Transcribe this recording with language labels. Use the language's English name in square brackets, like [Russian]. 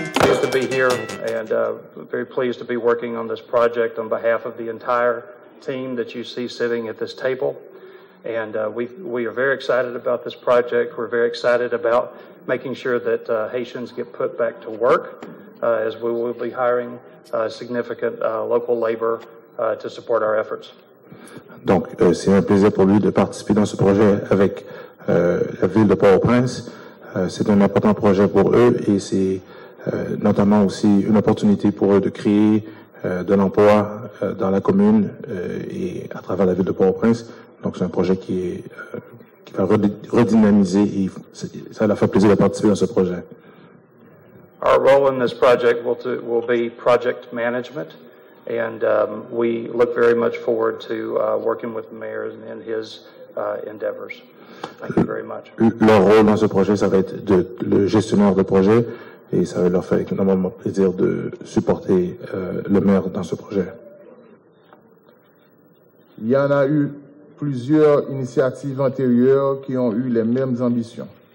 [English] And very pleased to be working on this project on behalf of the entire team that you see sitting at this table. And we are very excited about this project. We're very excited about making sure that Haitians get put back to work, as we will be hiring significant local labor to support our efforts. [French] Donc, c'est un plaisir pour lui de participer dans ce projet avec la ville de Port-au-Prince. C'est un important projet pour eux et c'est notamment aussi une opportunité pour eux de créer de l'emploi dans la commune et à travers la ville de Port-au-Prince. Donc, c'est un projet qui va redynamiser et ça leur fait plaisir de participer à ce projet. [English] Our role in this project will be project management, and we look very much forward to working with the mayor and his endeavors. Thank you very much. [French] Leur rôle dans ce projet, ça va être de le gestionnaire de projet. Et ça va leur faire énormément plaisir de supporter le maire dans ce projet. Il y en a eu plusieurs initiatives antérieures qui ont eu les mêmes ambitions.